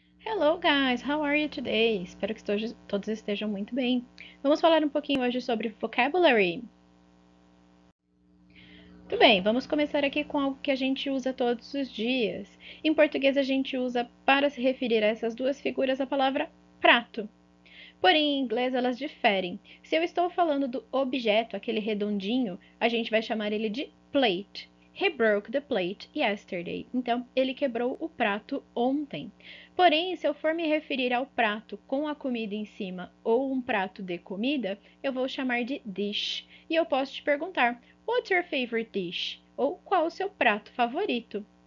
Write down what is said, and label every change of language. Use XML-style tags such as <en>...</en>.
<en>Hello guys, how are you today?</en> <pt>Espero que todos estejam muito bem. Vamos falar um pouquinho hoje sobre vocabulary. Tudo bem, vamos começar aqui com algo que a gente usa todos os dias. Em português, a gente usa para se referir a essas duas figuras a palavra prato. Porém, em inglês elas diferem. Se eu estou falando do objeto, aquele redondinho, a gente vai chamar ele de plate.</pt> <en>He broke the plate yesterday.</en> <pt>Então, ele quebrou o prato ontem. Porém, se eu for me referir ao prato com a comida em cima ou um prato de comida, eu vou chamar de dish. E eu posso te perguntar:</pt> <en>What's your favorite dish?</en> <pt>Ou qual o seu prato favorito?</pt>